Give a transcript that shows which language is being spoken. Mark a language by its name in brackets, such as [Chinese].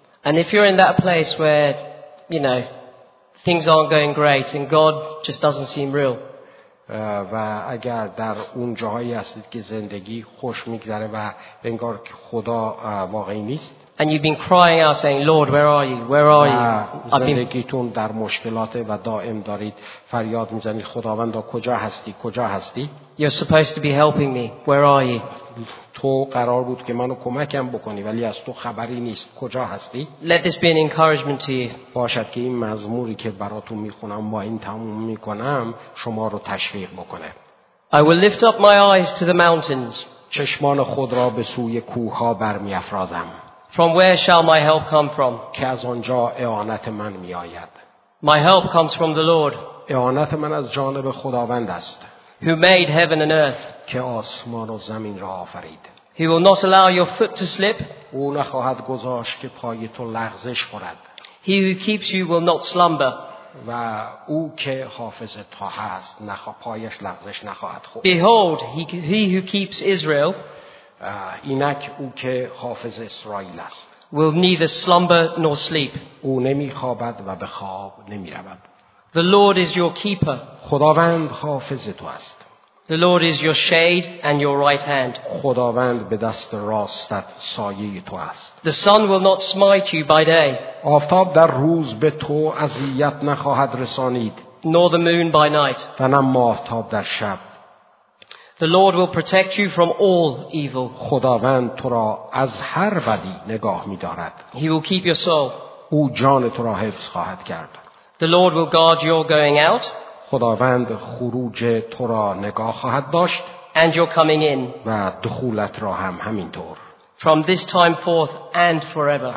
[English] And if you're in that place where, you know, things aren't going great and God just doesn't seem real. [Persian] و اگر در اون جاهایی هستید که زندگی خوش میگذره و انگار که خدا واقعی نیست. [English] And you've been crying out saying, Lord, where are you? Where are you? [Persian] زندگیتون در مشکلات و دائم دارید فریاد میزنید خداوند کجا هستی؟ کجا هستی؟ [English] You're supposed to be helping me. Where are you? [Persian] تو قرار بود که منو کمکم بکنی ولی از تو خبری نیست، کجا هستی؟ [English] Let this be an encouragement to you. [Persian] باشد که این مزموری که براتون میخونم با این تموم میکنم شما رو تشویق بکنه. [English] I will lift up my eyes to the mountains. [Persian] چشمان خود را به سوی کوها برمیافرازم. [English] From where shall my help come from? [Persian] که از آنجا اعانت من میآید. [English] My help comes from the Lord. [Persian] اعانت من از جانب خداوند است. [English] Who made heaven and earth? [Persian] که آسمان و زمین را آفرید. [English] He will not allow your foot to slip. [Persian] او نخواهد گذاشت که پای تو لغزش خورد. [English] He who keeps you will not slumber. [Persian] و او که حافظ تو هست پایش لغزش نخواهد خورد. [English] Behold, he who keeps Israel. [Persian] اینک او که حافظ اسرائیل است. [English] Will neither slumber nor sleep. [Persian] او نمیخوابد و به خواب نمیرود. [English] The Lord is your keeper. [Persian] خداوند حافظ تو است. [English] The Lord is your shade and your right hand. [Persian] خداوند به دست راستت سایه تو است. [English] The sun will not smite you by day. [Persian] آفتاب در روز به تو اذیت نخواهد رسانید. [English] Nor the moon by night. [Persian] و نه ماهتاب در شب. [English] The Lord will protect you from all evil. [Persian] خداوند تو را از هر بدی نگاه می‌دارد. [English] He will keep your soul. [Persian] او جان تو را حفظ خواهد کرد. [English] The Lord will guard your going out. [Persian] خداوند خروج تو را نگاه خواهد داشت. [English] And your coming in. [Persian] و دخولت را هم همینطور. [English] From this time forth and forever.